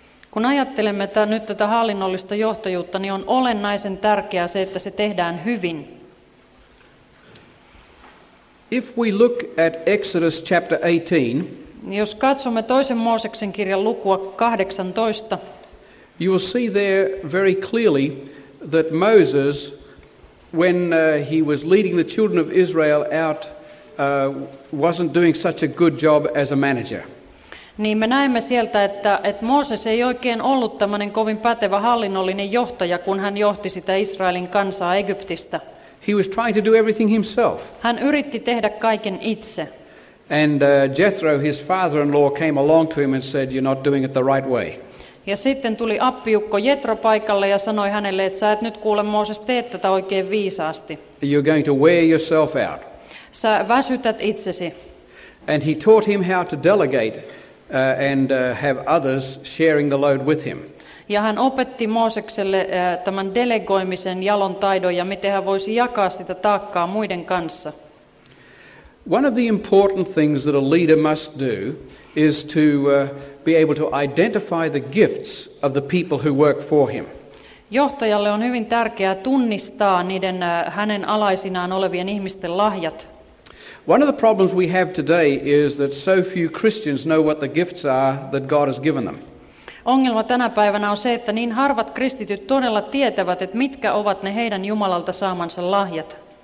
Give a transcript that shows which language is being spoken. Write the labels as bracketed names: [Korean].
[Finnish] Kun ajattelemme nyt tätä hallinnollista johtajuutta, niin on olennaisen tärkeää se, että se tehdään hyvin. [English] If we look at Exodus chapter 18, [Finnish] niin jos katsomme toisen Mooseksen kirjan lukua 18, [English] you will see there very clearly that Moses, when he was leading the children of Israel out, wasn't doing such a good job as a manager. [Finnish] Niin me näemme sieltä, että Mooses ei oikein ollut tämmöinen kovin pätevä hallinnollinen johtaja, kun hän johti sitä Israelin kansaa Egyptistä. [English] He was trying to do everything himself. [Finnish] Hän yritti tehdä kaiken itse. [English] And Jethro, his father-in-law, came along to him and said, "You're not doing it the right way." [Finnish] Ja sitten tuli appiukko Jethro paikalle ja sanoi hänelle, että sä et nyt kuule Mooses, tee tätä oikein viisaasti. [English] You're going to wear yourself out. [Finnish] Sä väsytät itsesi. [English] And he taught him how to delegate have others sharing the load with him. [Finnish] Ja hän opetti Moosekselle tämän delegoimisen jalon taidon ja miten hän voisi jakaa sitä taakkaa muiden kanssa. [English] One of the important things that a leader must do is to be able to identify the gifts of the people who work for him. [Finnish] Johtajalle on hyvin tärkeää tunnistaa niiden hänen alaisinaan olevien ihmisten lahjat. [English] One of the problems we have today is that so few Christians know what the gifts are that God has given them. [Finnish] Ongelma tänä päivänä on se, että niin harvat kristityt todella tietävät, että mitkä ovat ne heidän Jumalalta saamansa lahjat.